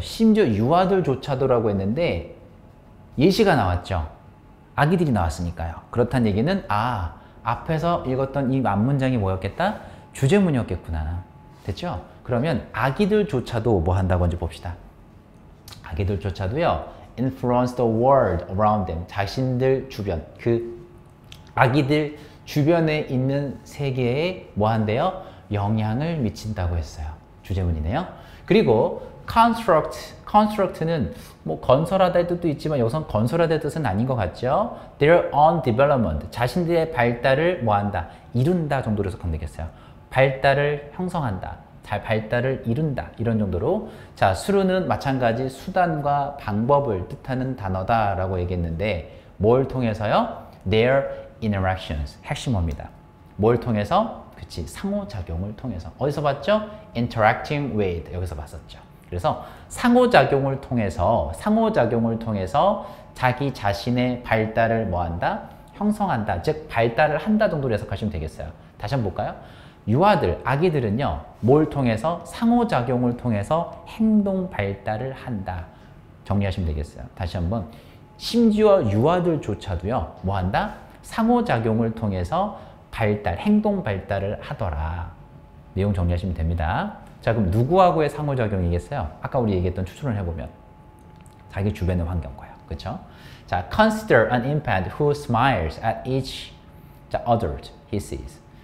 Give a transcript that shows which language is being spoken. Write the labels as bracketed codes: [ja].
[ko] 심지어 유아들조차도 라고 했는데 예시가 나왔죠. 아기들이 나왔으니까요. 그렇다는 얘기는 아, 앞에서 읽었던 이 앞문장이 뭐였겠다? 주제문이었겠구나. 됐죠? 그러면 아기들조차도 뭐 한다고 한지 봅시다. 아기들조차도요. [en] influence the world around them. [ko] 자신들 주변, 그 아기들 주변에 있는 세계에 뭐 한대요? 영향을 미친다고 했어요. 주제문이네요. 그리고 construct, construct는 뭐 건설하다의 뜻도 있지만 여기선 건설하다의 뜻은 아닌 것 같죠? [en] Their own development, [ko] 자신들의 발달을 뭐 한다? 이룬다 정도로 해석하면 되겠어요. 발달을 형성한다. 잘 발달을 이룬다. 이런 정도로. 자, 수루는 마찬가지 수단과 방법을 뜻하는 단어다 라고 얘기했는데 뭘 통해서요? [en] Their interactions, 핵심어입니다. [ko] 뭘 통해서? 그치, 상호작용을 통해서. 어디서 봤죠? [en] Interacting with, [ko] 여기서 봤었죠. 그래서 상호작용을 통해서, 상호작용을 통해서 자기 자신의 발달을 뭐한다? 형성한다. 즉, 발달을 한다 정도로 해석하시면 되겠어요. 다시 한번 볼까요? 유아들, 아기들은요, 뭘 통해서? 상호작용을 통해서 행동 발달을 한다. 정리하시면 되겠어요. 다시 한번. 심지어 유아들조차도요, 뭐한다? 상호작용을 통해서 발달, 행동 발달을 하더라. 내용 정리하시면 됩니다. 자, 그럼 누구하고의 상호작용이겠어요? 아까 우리 얘기했던 추출을 해보면 자기 주변의 환경과요. 그쵸? [en] 자, consider an infant who smiles at each adult he sees.